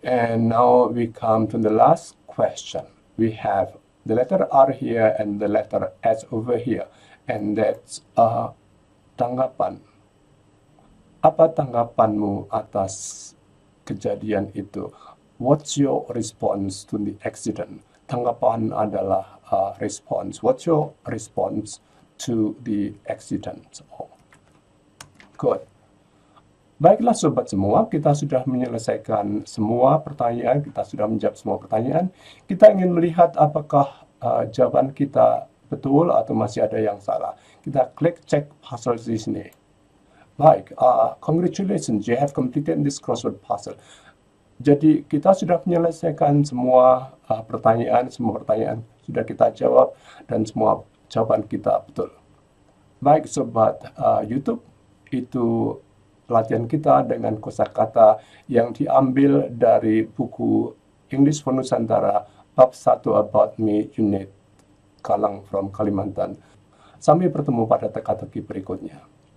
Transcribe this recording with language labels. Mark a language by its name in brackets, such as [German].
[English] And now we come to the last question. We have the letter R here and the letter S over here. And that's tanggapan. [Indonesian] Apa tanggapanmu atas kejadian itu? [English] What's your response to the accident? [Indonesian] Tanggapan adalah [English] response. What's your response to the accident? Good. [Indonesian] Baiklah sobat semua, kita sudah menyelesaikan semua pertanyaan. Kita sudah menjawab semua pertanyaan. Kita ingin melihat apakah jawaban kita betul atau masih ada yang salah. Kita klik check puzzle di sini. [English] Baik, congratulations, you have completed this crossword puzzle. [Indonesian] Jadi kita sudah menyelesaikan semua pertanyaan. Semua pertanyaan sudah kita jawab dan semua jawaban kita betul. Baik sobat YouTube, itu pelatihan kita dengan kosakata yang diambil dari buku English for Nusantara Bab 1 About Me Unit Kalang from Kalimantan. Sampai bertemu pada teka-teki berikutnya.